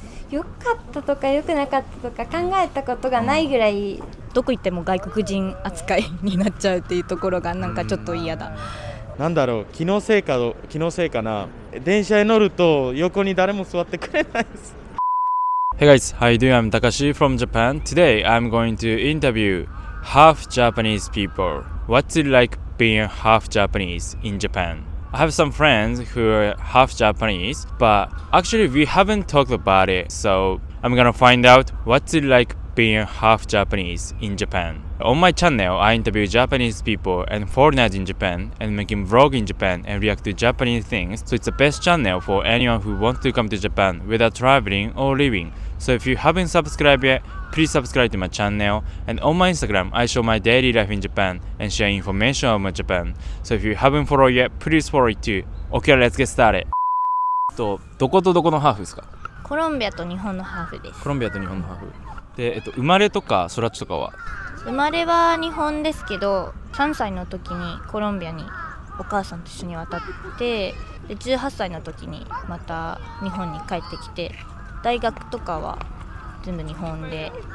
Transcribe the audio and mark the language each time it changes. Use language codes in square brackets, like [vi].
[ja] 良かったとか良くなかったとか考えたことがないぐらい、うん、どこ行っても外国人扱いになっちゃうっていうところがなんかちょっと嫌だ。なんだろう、気のせいかな、電車に乗ると横に誰も座ってくれないです。 [en] Hey guys, how you doing? I'm Takashi from Japan. Today I'm going to interview half Japanese people. What's it like being half Japanese in Japan? I have some friends who are half Japanese, but actually we haven't talked about it, so I'm gonna find out what's it like being half Japanese in Japan. On my channel, I interview Japanese people and foreigners in Japan and making vlog in Japan and react to Japanese things, so it's the best channel for anyone who wants to come to Japan without traveling or living. So if you haven't subscribed yet, please subscribe to my channel. And on my Instagram, I show my daily life in Japan and share information about Japan. So if you haven't followed yet, please follow it too. Okay, let's get started. [ja] どことどこのハーフですか？コロンビアと日本のハーフです。コロンビアと日本のハーフ。で、生まれとか育ちとかは？生まれは日本ですけど、3歳の時にコロンビアにお母さんと一緒に渡って、で18歳の時にまた日本に帰ってきて、大学とかは全部日本で。